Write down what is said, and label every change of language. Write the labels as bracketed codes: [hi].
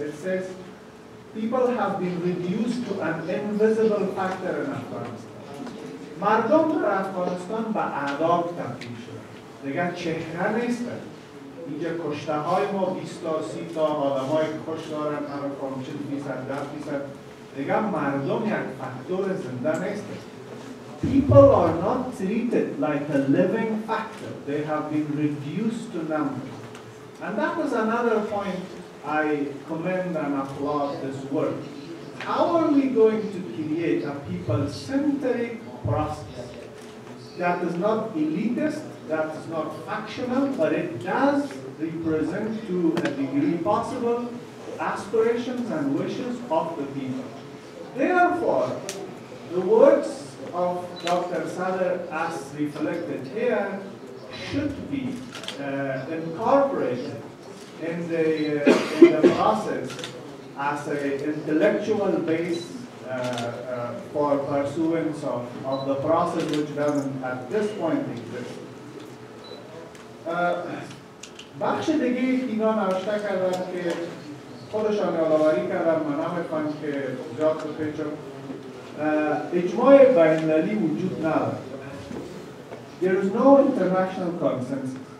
[en] It says, people have been reduced to an invisible factor in Afghanistan. [fa] مردم در افغانستان به اعداد تبدیل شدن. دیگر چهره نیستن. اینجا کشته های ما 20 تا 30 تا آدم های خوش دارن هر کام چند میزن در میزن. دیگر مردم یک فاکتور زنده نیستن. [en] People are not treated like a living factor. They have been reduced to numbers. And that was another point I commend and applaud this work. How are we going to create a people-centric process that is not elitist, that is not factional, but it does represent to a degree possible aspirations and wishes of the people? Therefore, the words of Dr. Sadr as reflected here should be incorporated in the process as an intellectual base for pursuance of the process which doesn't at this point exist. [fa] بخش دیگه اینا نوشته کردن که خودشان یادآوری کردن من نمیخوام که زیاد بپیچم. اجماع بین‌المللی وجود ندارد. [en] There is no international consensus.